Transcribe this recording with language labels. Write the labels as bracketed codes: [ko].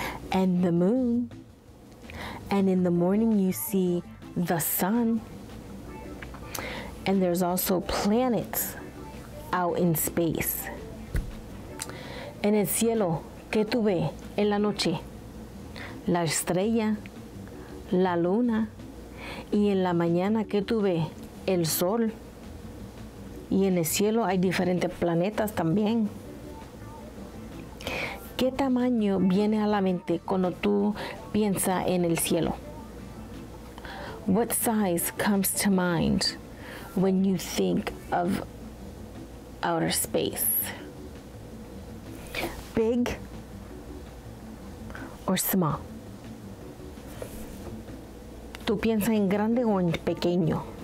[en] And the moon, and in the morning you see the sun, and there's also planets out in space. [es] En el cielo, ¿qué tú ves en la noche? La estrella, la luna, y en la mañana, ¿qué tú ves? El sol. Y en el cielo hay diferentes planetas también. ¿Qué tamaño viene a la mente cuando tú piensas en el cielo? [en] What size comes to mind when you think of outer space? Big or small? [es] ¿Tú piensas en grande o en pequeño?